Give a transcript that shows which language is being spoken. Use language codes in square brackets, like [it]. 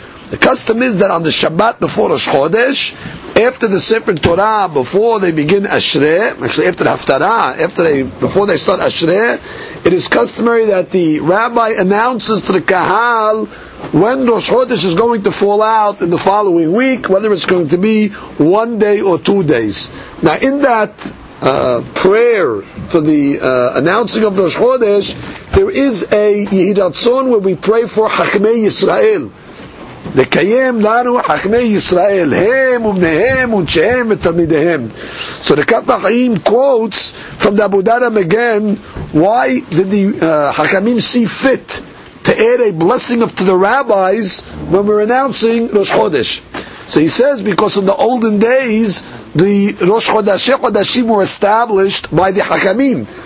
[en] The custom is that on the Shabbat before Rosh Chodesh, after the Sefer Torah, before they begin Ashre, actually after Haftarah, before they start Ashre, it is customary that the rabbi announces to the Kahal when Rosh Chodesh is going to fall out in the following week, whether it's going to be one day or 2 days. Now in that prayer for the announcing of Rosh Chodesh, there is a Yehidatzon where we pray for Chachmei Yisrael. [he] לקיים לנו חכמי ישראל הם ובניהם ונשיהם ותלמידיהם. [en] So the Kaf HaHaim quotes from the Abu Darham again, why did the Hakamim see fit to add a blessing up to the rabbis when we're announcing Rosh Chodesh? So he says, because in the olden days the Rosh Chodashim were established by the Hakamim.